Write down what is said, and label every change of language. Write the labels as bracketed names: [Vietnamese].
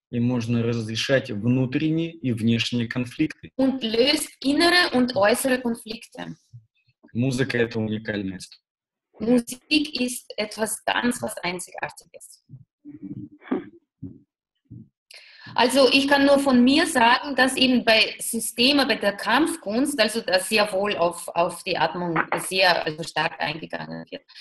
[Russian] И можно разрешать внутренние и внешние конфликты. [German] Und löst innere und äußere Konflikte. [Russian] Музыка это уникальность. [German] Musik ist etwas ganz was Einzigartiges. Also ich kann nur von mir sagen, dass eben bei Systemen, bei der Kampfkunst, also da sehr wohl auf die Atmung sehr also stark eingegangen wird.